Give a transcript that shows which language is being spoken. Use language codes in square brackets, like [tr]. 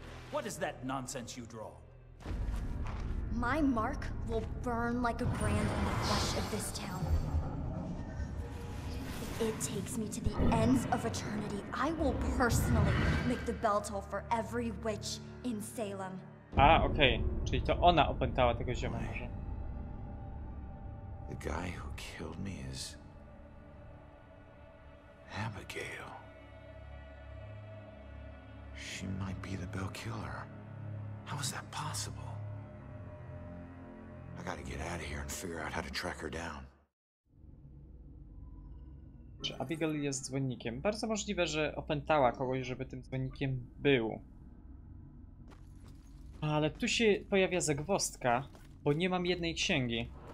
[en] What is that nonsense you draw? My mark will burn like a brand in the flesh of this town. If it takes me to the ends of eternity, I will personally make the bell toll for every witch in Salem. A, okej. Okay. [pl] Czyli to ona opętała tego ziomu może. [en] The guy who killed me is Abigail. She might be the Bill killer. How is that possible? I gotta get out of here and figure out how to track her down. [pl] Czy Abigail jest dzwonnikiem? Bardzo możliwe, że opętała kogoś, żeby tym dzwonnikiem był. Ale tu się pojawia zagwozdka, bo nie mam jednej księgi.